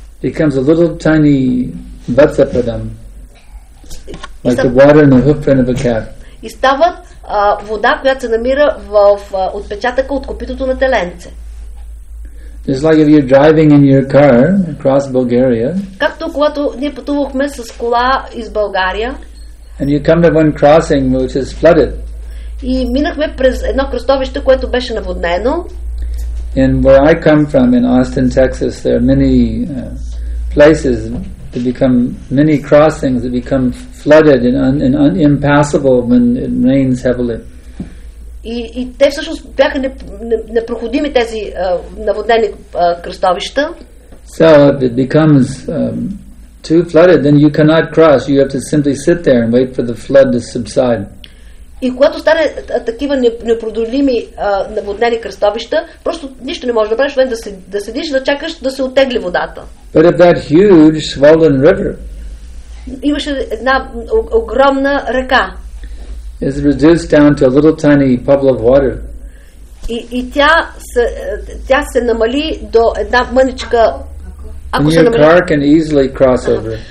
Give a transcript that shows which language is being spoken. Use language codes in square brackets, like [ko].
[en] becomes a little tiny vatsapadam, like the water in the hoofprint of a cat. [bg] И стават вода, която се намира в отпечатъка от копитото на теленце. [en] It's like if you're driving in your car across Bulgaria. [bg] Както когато ние пътувахме с кола из България. [en] And you come to one crossing which is flooded. [bg] И минахме през едно кръстовище, което беше наводнено. [en] And where I come from in Austin, Texas, there are many places that become many crossings that become flooded and impassable when it rains heavily. [bg] И те всъщност бяха непроходими тези наводнени кръстовища. [en] So if it becomes too flooded, then you cannot cross. You have to simply sit there and wait for the flood to subside. [bg] И когато стане такива непроходими наводнени кръстовища, просто нищо не можеш да правиш, освен да седиш, да чакаш да се оттегли водата. [en] But if that huge swollen river, [bg] имаше една огромна река, [en] is reduced down to a little tiny bubble of water, [bg] и тя се намали до една мъничка. [en] And your car can easily cross over.